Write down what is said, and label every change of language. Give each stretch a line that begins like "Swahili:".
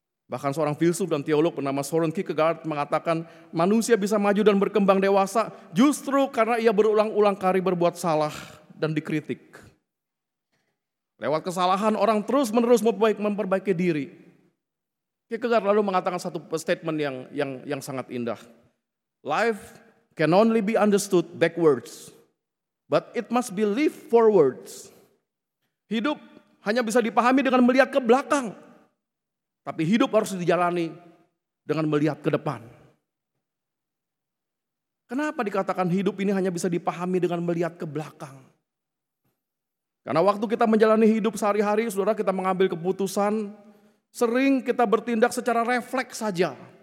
Indonesian: Bahkan seorang filsuf dan teolog bernama Soren Kierkegaard mengatakan, manusia bisa maju dan berkembang dewasa justru karena ia berulang-ulang kali berbuat salah dan dikritik. Lewat kesalahan, orang terus-menerus memperbaiki diri. Kierkegaard lalu mengatakan satu statement yang sangat indah.
English: Life can only be understood backwards, but it must be lived forwards.
Indonesian: Hidup hanya bisa dipahami dengan melihat ke belakang, tapi hidup harus dijalani dengan melihat ke depan. Kenapa dikatakan hidup ini hanya bisa dipahami dengan melihat ke belakang? Karena waktu kita menjalani hidup sehari-hari, saudara, kita mengambil keputusan, sering kita bertindak secara refleks saja.